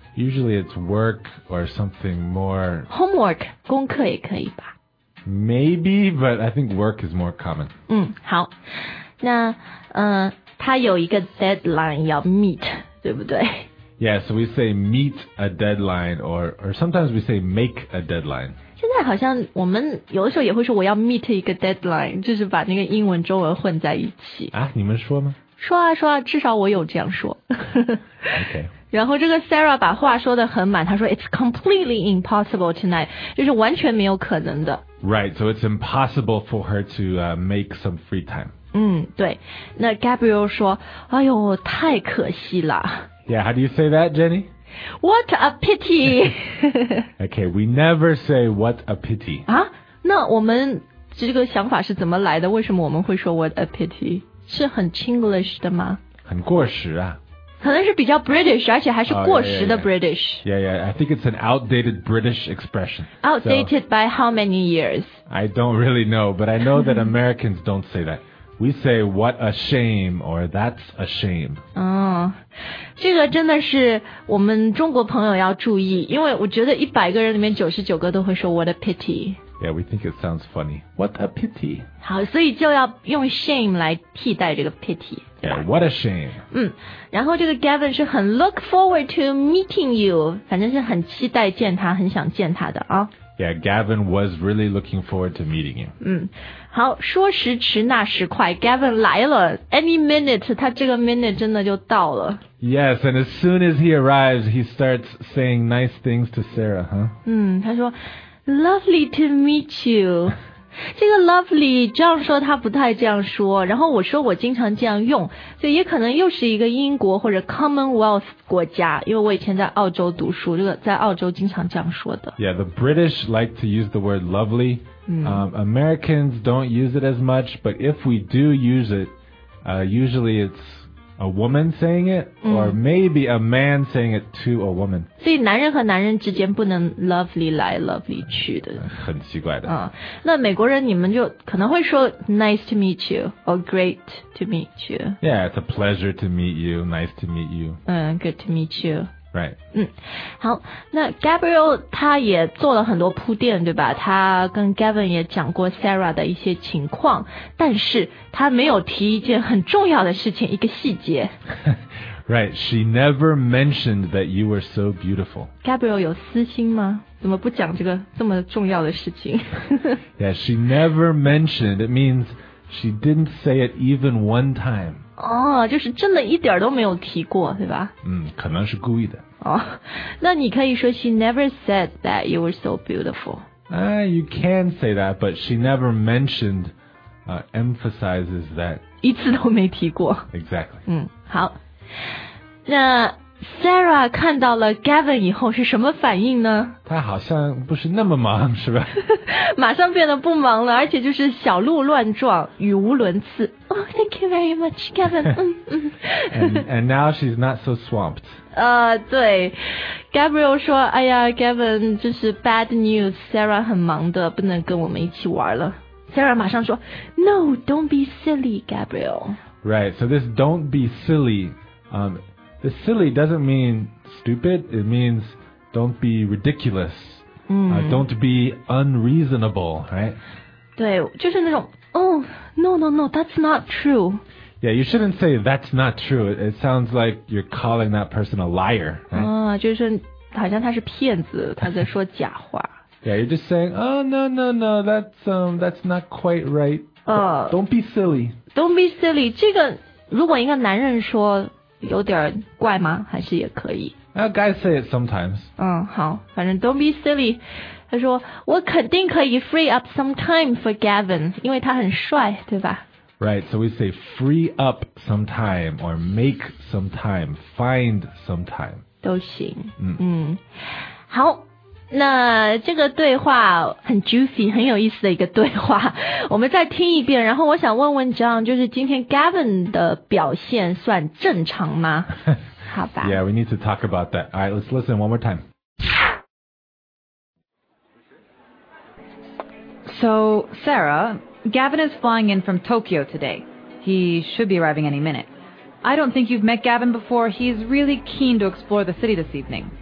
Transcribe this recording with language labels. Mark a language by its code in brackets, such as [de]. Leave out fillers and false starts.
[en] Usually it's work or something more... [zh] Homework, 功课也可以吧。 [en] Maybe, but I think work is more common. [zh] 好。那他有一个 deadline 要 meet, 对不对 [en] Yeah, so we say meet a deadline or sometimes we say make a deadline. [zh] 现在好像我们有的时候也会说我要 meet 一个 deadline, 就是把那个英文中文混在一起。你们说吗说啊说啊至少我有这样说。 [en] okay. [zh] 然后这个 Sarah 把话说得很满，她说 [en] "It's completely impossible tonight," [zh] 就是完全没有可能的。 [en] Right, so it's impossible for her to make some free time. [zh] 对。那 Gabriel 说，哎呦，太可惜了。 [en] Yeah, how do you say that, Jenny? What a pity. okay, we never say "What a pity." [zh] 那我们这个想法是怎么来的？为什么我们会说 [en] "What a pity"？ [zh] 是很 Chinglish 的吗？很过时啊。可能是比较 British, 而且还是过时的 British. [en] Yeah, I think it's an outdated British expression. Outdated by how many years? I don't really know, but I know that Americans don't say that. We say, what a shame, or that's a shame. [zh] 这个真的是我们中国朋友要注意，因为我觉得100个人里面99个都会说 [en] what a pity. Yeah, we think it sounds funny. What a pity. [zh] 好，所以就要用 shame 来替代这个 pity. [en] Yeah, what a shame. [zh] 然后这个 Gavin 是很 look forward to meeting you. 反正是很期待见他，很想见他的啊。 [en] Yeah, Gavin was really looking forward to meeting you. [zh] 好，说时迟那时快 ，Gavin 来了 ，any minute， 他这个 minute 真的就到了。 [en] Yes, and as soon as he arrives, he starts saying nice things to Sarah, huh? [zh] 他说 [en] ，lovely to meet you. [zh] 这个 lovely 这样说他不太这样说然后我说我经常这样用所以也可能又是一个英国或者 commonwealth 国家因为我以前在澳洲读书这个在澳洲经常这样说的 [en] Yeah, the British like to use the word lovely Americans don't use it as much but if we do use it usually it's a woman saying it or maybe a man saying it to a woman [zh] 所以男人和男人之间不能 lovely 来 lovely 去的很奇怪的那美国人你们就可能会说 [en] nice to meet you or great to meet you yeah it's a pleasure to meet you nice to meet you good to meet you right [zh] 好那 Gabriel 他也做了很多铺垫对吧他跟 Gavin 也讲过 Sarah 的一些情况但是他没有提一件很重要的事情一个细节 [en] right she never mentioned that you were so beautiful [zh] Gabriel 有私心吗怎么不讲这个这么重要的事情 [en] yeah she never mentioned it means she didn't say it even one time [zh] 就是真的一点都没有提过对吧可能是故意的那你可以说 [en] she never said that you were so beautiful you can say that but she never mentioned emphasizes that [zh] 一次都没提过 [en] exactly [zh] 好那 Sarah 看到了 Gavin 以后是什么反应呢？他好像不是那么忙，是吧？马上变得不忙了，而且就是小鹿乱撞，语无伦次。 [en] Oh, thank you very much, Gavin. and now she's not so swamped. [zh] 对 ，Gabriel 说：“哎呀 ，Gavin， 这是 [en] bad news. [zh] Sarah 很忙的，不能跟我们一起玩了。” [en] Sarah [zh] 马上说 [en] ：“No, don't be silly, Gabriel.” Right. So this "don't be silly." The silly doesn't mean stupid, it means don't be ridiculous,don't be unreasonable, right? [zh] 对，就是那种 [en] oh, no, no, no, that's not true. Yeah, you shouldn't say that's not true, it sounds like you're calling that person a liar, right? [zh] 就是好像他是骗子，他在说假话。 [en] Yeah, you're just saying, oh, no, no, no, that's not quite right. Don't be silly. Don't be silly, [zh] 这个如果一个男人说有点怪吗？还是也可以 [en] Guys say it sometimes. [zh] 好，反正 [en] don't be silly. [zh] 他说我肯定可以 [en] free up some time for Gavin, [zh] 因为他很帅，对吧？ [en] Right, so we say free up some time, or make some time, find some time. [zh] 都行。好，那这个对话很 juicy, 很有意思的一个对话，我们再听一遍。然后我想问问 John, 就是今天 Gavin 的表现算正常吗？好吧。 [en] Yeah, we need to talk about that. All right, let's listen one more time. So, Sarah, Gavin is flying in from Tokyo today. He should be arriving any minute. I don't think you've met Gavin before. He's really keen to explore the city this evening.